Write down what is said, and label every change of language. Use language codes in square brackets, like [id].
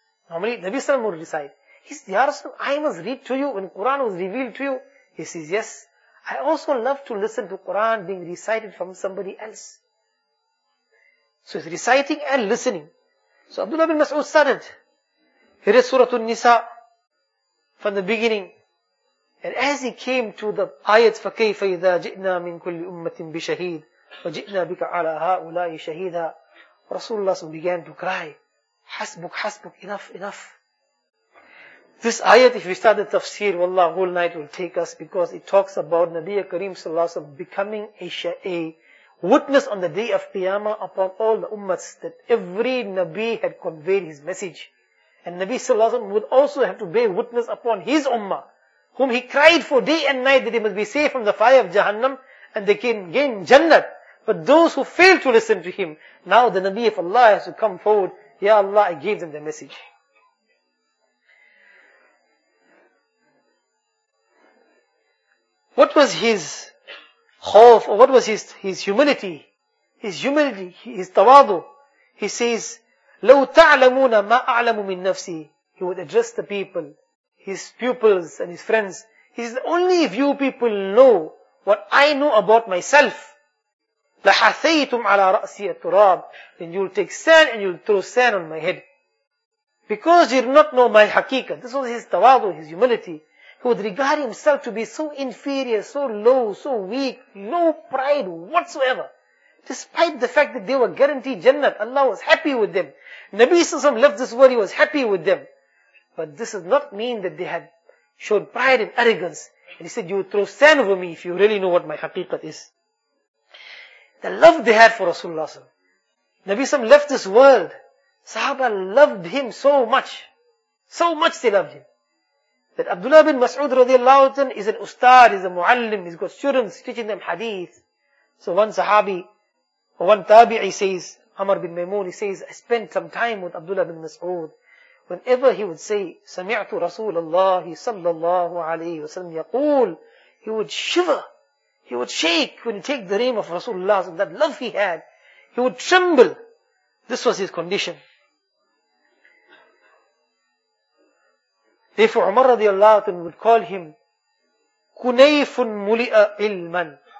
[en] Normally, Nabi Salam would recite. He says, Ya Rasul, I must read to you when Quran was revealed to you. He says, yes, I also love to listen to Quran being recited from somebody else. So he's reciting and listening. So Abdullah bin Mas'ud started. He read Surah An-Nisa from the beginning. And as he came to the ayat, [ar] فَكَيْفَ إِذَا جِئْنَا مِنْ كُلِّ أُمَّةٍ بِشَهِيدٍ وَجِئْنَا بِكَ عَلَى هَؤُلَاءِ شَهِيدًا, [en] Rasulullah began to cry, [ar] حَسْبُكْ حَسْبُكْ, [en] enough, enough. This ayat, if we start the tafsir, wallah, whole night will take us, because it talks about Nabi Kareem sallallahu alayhi wa sallam becoming a witness on the day of Qiyamah upon all the ummats, that every Nabi had conveyed his message. And Nabi sallallahu alayhi wa sallam would also have to bear witness upon his ummah, whom he cried for day and night that they must be saved from the fire of Jahannam and they can gain Jannat. But those who fail to listen to him, now the Nabi of Allah has to come forward. Ya Allah, I gave them the message. What was his khawf, or what was his humility? His humility, his tawadu. He says, [ar] لَوْ تَعْلَمُونَ مَا أَعْلَمُ مِنْ نَفْسِي. [en] He would address the people, his pupils and his friends. He says, only if you people know what I know about myself, [ar] لَحَثَيْتُمْ عَلَىٰ رَأْسِيَ تُرَابٍ, [en] then you'll take sand and you'll throw sand on my head. Because you do not know my haqiqa. This was his tawadu, his humility. He would regard himself to be so inferior, so low, so weak, no pride whatsoever. Despite the fact that they were guaranteed Jannat, Allah was happy with them. Nabi Sallallahu Alaihi Wasallam left this world, he was happy with them. But this does not mean that they had showed pride and arrogance. And he said, you would throw sand over me if you really know what my haqiqat is. The love they had for Rasulullah Sallallahu Alaihi Wasallam. Nabi Sallallahu left this world. Sahaba loved him so much. So much they loved him. That Abdullah bin Mas'ud radiallahu ta'ala is an ustad, is a muallim, he's got students teaching them hadith. So one sahabi, or one tabi'i says, Amr bin Maymun, he says, I spent some time with Abdullah bin Mas'ud. Whenever he would say, [ar] سَمِعْتُ رَسُولَ اللَّهِ صَلَّى اللَّهُ عَلَيْهِ وَسَلَّمْ يَقُولُ, [en] he would shiver. He would shake when he take the name of Rasulullah, and that love he had. He would tremble. This was his condition. Therefore, Umar radiallahu anhu would call him Kunayfun Muli'a Ilman.